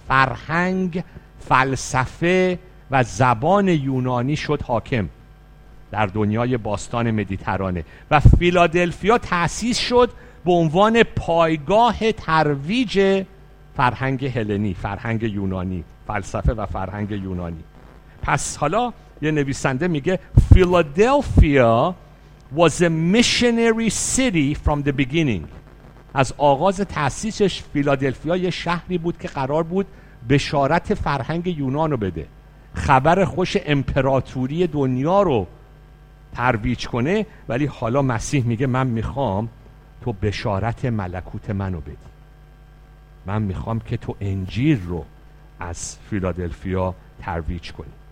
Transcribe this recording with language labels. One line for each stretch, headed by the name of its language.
Persian: فرهنگ، فلسفه و زبان یونانی شد حاکم در دنیای باستان مدیترانه و فیلادلفیا تأسیس شد به عنوان پایگاه ترویج فرهنگ هلنی، فرهنگ یونانی، فلسفه و فرهنگ یونانی. پس حالا یه نویسنده میگه
English: Philadelphia was a missionary city from the beginning.
Persian: از آغاز تأسیسش فیلادلفیا یه شهری بود که قرار بود بشارت فرهنگ یونان رو بده، خبر خوش امپراتوری دنیا رو ترویج کنه. ولی حالا مسیح میگه من میخوام تو بشارت ملکوت منو بدی، من میخوام که تو انجیل رو از فیلادلفیا ترویج کنی.